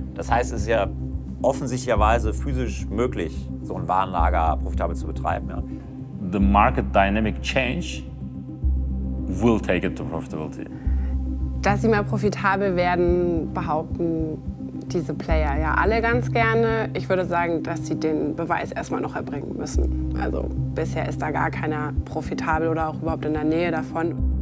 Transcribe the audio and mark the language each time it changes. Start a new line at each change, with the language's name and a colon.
German: Das heißt, es ist ja offensichtlicherweise physisch möglich, so ein Warenlager profitabel zu betreiben. Ja.
English: The market dynamic change will take it to profitability.
German: Dass sie mal profitabel werden, behaupten diese Player ja alle ganz gerne. Ich würde sagen, dass sie den Beweis erstmal noch erbringen müssen. Also bisher ist da gar keiner profitabel oder auch überhaupt in der Nähe davon.